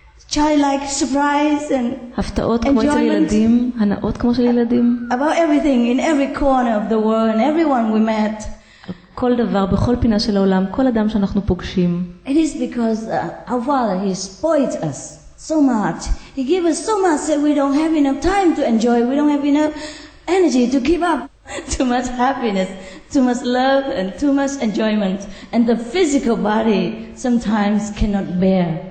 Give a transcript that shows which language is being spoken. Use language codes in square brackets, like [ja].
[en] Childlike surprise and [he] הפתעות כמו של ילדים, הנאות כמו של ילדים. [en] About everything in every corner of the world and everyone we met. [he] כל דבר בכל פינה של העולם, כל אדם שאנחנו פוגשים. [en] It is because our father he spoils us so much. He gives us so much that we don't have enough time to enjoy. We don't have enough energy to keep up. Too much happiness, too much love and too much enjoyment and the physical body sometimes cannot bear.